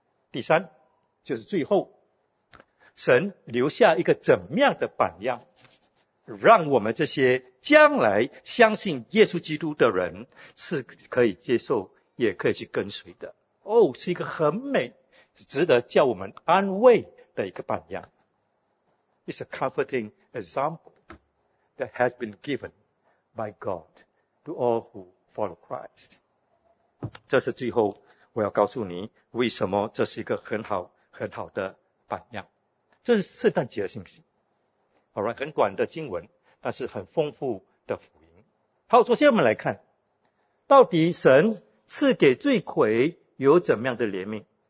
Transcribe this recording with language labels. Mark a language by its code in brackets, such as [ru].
[zh] 第三，就是最后，神留下一个怎么样的榜样，让我们这些将来相信耶稣基督的人是可以接受，也可以去跟随的。哦，是一个很美，值得叫我们安慰的一个榜样。 [en] It's a comforting example that has been given by God to all who follow Christ. [zh] 这是最后我要告诉你为什么这是一个很好很好的榜样。这是圣诞节的信息。好了，很短的经文，但是很丰富的福音。好，首先我们来看，到底神赐给罪魁有怎么样的怜悯？